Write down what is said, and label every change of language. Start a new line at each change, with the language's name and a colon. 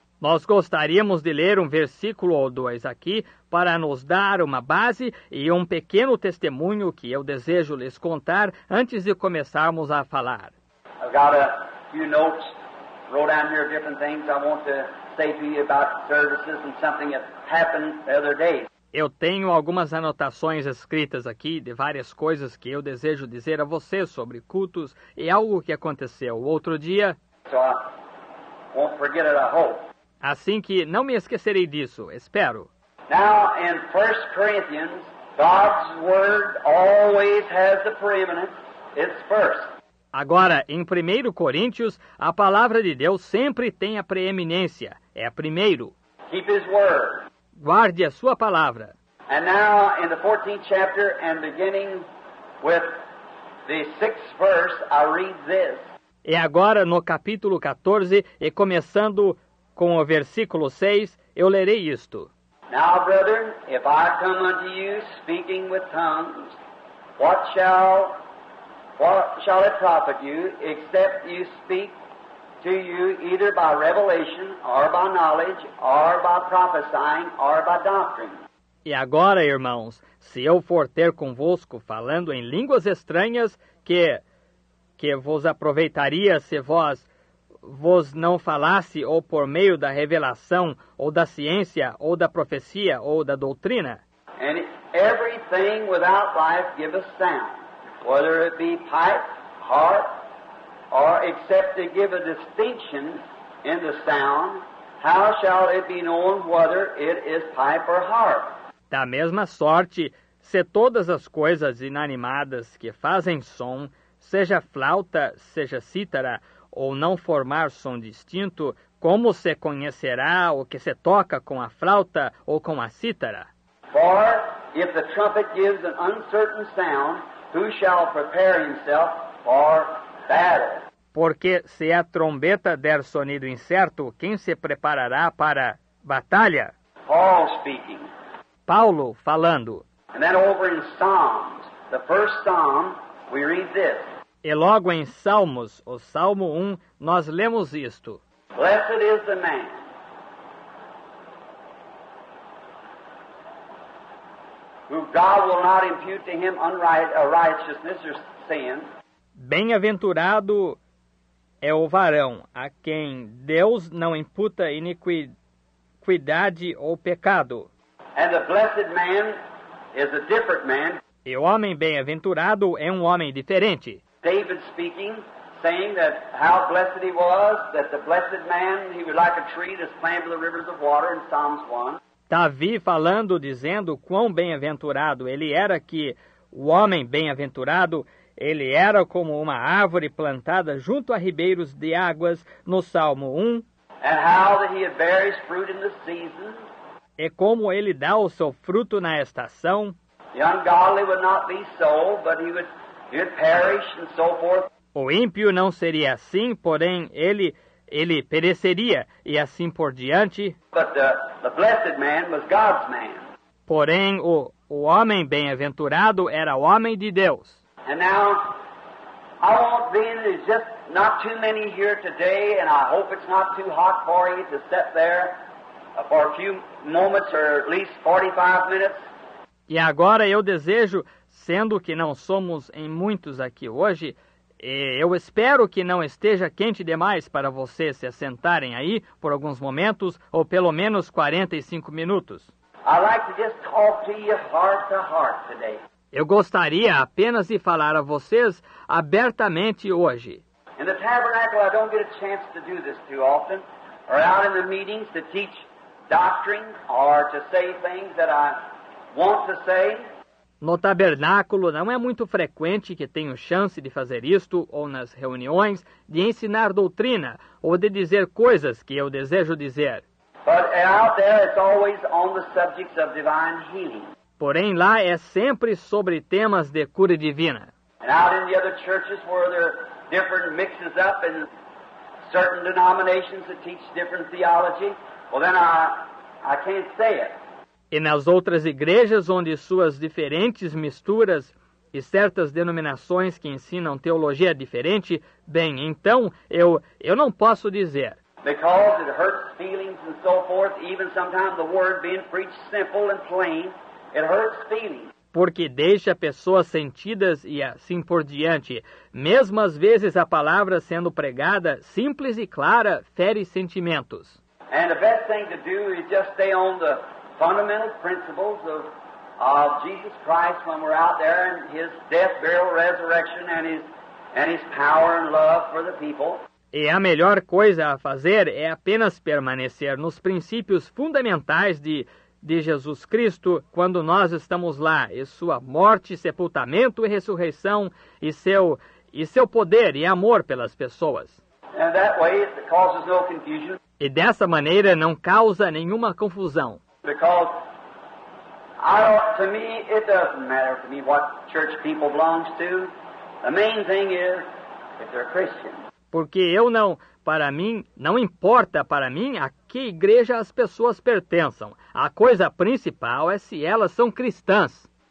Portuguese: Nós gostaríamos de ler um versículo ou dois aqui para nos dar uma base e um pequeno testemunho que eu desejo lhes contar antes de começarmos a falar.
English: I've got a few notes, wrote down here different things I want to say to you about services and something that happened the other day.
Portuguese: Eu tenho algumas anotações escritas aqui de várias coisas que eu desejo dizer a você sobre cultos e algo que aconteceu outro dia.
English: So I won't forget it, I hope.
Portuguese: Assim que não me esquecerei disso, espero.
English: Now, in 1 Corinthians, God's word always has the preeminence. It's first.
Portuguese: Agora, em 1 Coríntios, a palavra de Deus sempre tem a preeminência. É primeiro.
English: Keep his word.
Portuguese: Guarde a sua palavra.
English: And now, in the 14th chapter, and beginning with the 6th verse, I read this.
Portuguese: E agora, no capítulo 14, e começando com o versículo 6, eu lerei isto.
English: Now, brethren, if I come unto you speaking with tongues, what shall it profit you, except you speak to you either by revelation, or by knowledge, or by prophesying, or by doctrine?
Portuguese: E agora, irmãos, se eu for ter convosco falando em línguas estranhas, que vos aproveitaria se vós vos não falasse ou por meio da revelação, ou da ciência, ou da profecia, ou da doutrina?
English: And everything without life gives a sound, whether it be pipe, harp, or except to give a distinction in the sound, how shall it be known whether it is pipe or harp?
Portuguese: Da mesma sorte, se todas as coisas inanimadas que fazem som, seja flauta, seja cítara, ou não formar som distinto, como se conhecerá o que se toca com a flauta ou com a cítara?
English: For if the trumpet gives an uncertain sound, who shall prepare himself for battle?
Portuguese: Porque se a trombeta der sonido incerto, quem se preparará para batalha?
English: Paul speaking.
Portuguese: Paulo falando.
English: And then over in Psalms, the first psalm, we read this.
Portuguese: E logo em Salmos, o Salmo 1, nós lemos isto.
English: Blessed is the man. Who God will not impute to him unrighteousness or sin.
Portuguese: Bem-aventurado é o varão a quem Deus não imputa iniquidade ou pecado.
English: And the blessed man is a different man.
Portuguese: E o homem bem-aventurado é um homem diferente.
English: David speaking, saying that how blessed he was, that the blessed man, he was like a tree that's planted by the rivers of water in Psalms 1.
Portuguese: Davi falando, dizendo quão bem-aventurado ele era, que o homem bem-aventurado, ele era como uma árvore plantada junto a ribeiros de águas, no Salmo 1.
English: And how that he had various fruit in the season.
Portuguese: E como ele dá o seu fruto na estação.
English: The ungodly would not be so, but he would perish and so forth.
Portuguese: O ímpio não seria assim, porém ele pereceria, e assim por diante.
English: But the blessed man was God's man.
Portuguese: Porém, o homem bem-aventurado era o homem de Deus.
English: And now, I won't be in, there's just not too many here today, and I hope it's not too hot for you to sit there for a few moments or at least 45 minutes.
Portuguese: E agora eu desejo, sendo que não somos em muitos aqui hoje, eu espero que não esteja quente demais para vocês se assentarem aí por alguns momentos, ou pelo menos 45 minutos.
English: I'd like to just talk to you heart to heart today.
Portuguese: Eu gostaria apenas de falar a vocês abertamente hoje.
English: In the tabernacle, I don't get a chance to do this too often, or out in the meetings to teach doctrine, or to say things that I want to say.
Portuguese: No tabernáculo, não é muito frequente que tenho chance de fazer isto, ou nas reuniões, de ensinar doutrina, ou de dizer coisas que eu desejo dizer.
English: But out there, it's always on the subjects of divine healing.
Portuguese: Porém, lá é sempre sobre temas de cura divina.
English: And out in the other churches where there are different mixes up and certain denominations that teach different theology, well then I can't say it.
Portuguese: E nas outras igrejas onde suas diferentes misturas e certas denominações que ensinam teologia diferente, bem, então eu não posso dizer.
English: Because it hurts feelings and so forth, even sometimes the word being preached simple and plain, it hurts feelings.
Portuguese: Porque deixa pessoas sentidas e assim por diante. Mesmo às vezes a palavra sendo pregada, simples e clara, fere sentimentos.
English: And the best thing to do is just stay on the fundamental principles of Jesus Christ when we're out there and his death, burial, resurrection and his power and love for the people.
Portuguese: E a melhor coisa a fazer é apenas permanecer nos princípios fundamentais de Jesus Cristo quando nós estamos lá, e sua morte, sepultamento e ressurreição, e seu poder e amor pelas pessoas.
English: And that way it causes no confusion.
Portuguese: E dessa maneira não causa nenhuma confusão.
English: Because I don't, to me, it doesn't matter to me what church people belongs to. The main thing is if they're Christians.
Portuguese: Porque eu não, para mim, não importa para mim a que igreja as pessoas pertençam. A coisa principal é se elas são cristãs.